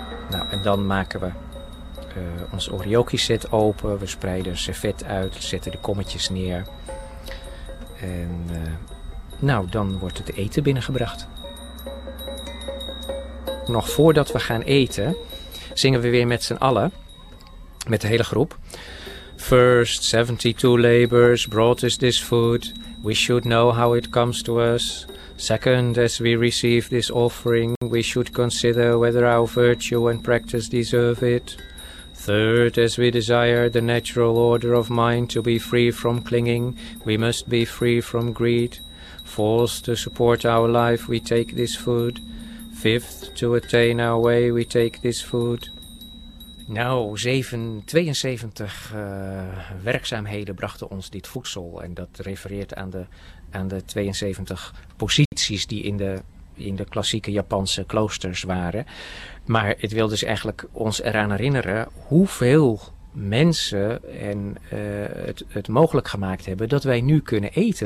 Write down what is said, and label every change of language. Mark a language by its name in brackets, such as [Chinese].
[Dutch] Nou, en dan maken we ons Oreoki set open. We spreiden een servet uit, zetten de kommetjes neer. En nou, dan wordt het eten binnengebracht. Nog voordat we gaan eten, zingen we weer met z'n allen, met de hele groep. [English] First 72 labors brought us this food, we should know how it comes to us. Second, as we receive this offering, we should consider whether our virtue and practice deserve it. Third, as we desire the natural order of mind to be free from clinging, we must be free from greed. Fourth, to support our life, we take this food. Fifth, to attain our way, we take this food. [Dutch] Nou, 72 werkzaamheden brachten ons dit voedsel. En dat refereert aan de 72 posities die in de klassieke Japanse kloosters waren. Maar het wil dus eigenlijk ons eraan herinneren hoeveel mensen het mogelijk gemaakt hebben dat wij nu kunnen eten.